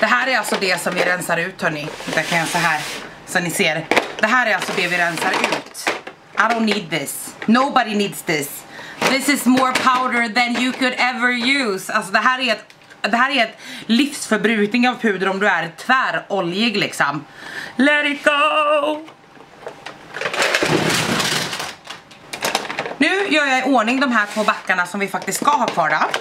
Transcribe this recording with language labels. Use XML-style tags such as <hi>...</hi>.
<sv>Det är alltså det som vi rensar ut, hörni. Det kan jag så här, så ni ser. Det här är alltså det vi rensar ut.</sv> <en>I don't need this. Nobody needs this. This is more powder than you could ever use.</en> <sv>Alltså det här är ett livsförbrukning av puder om du är tväroljig liksom.</sv> <en>Let it go.</en> <sv>Nu gör jag i ordning de här två backarna som vi faktiskt ska ha kvar då.</sv>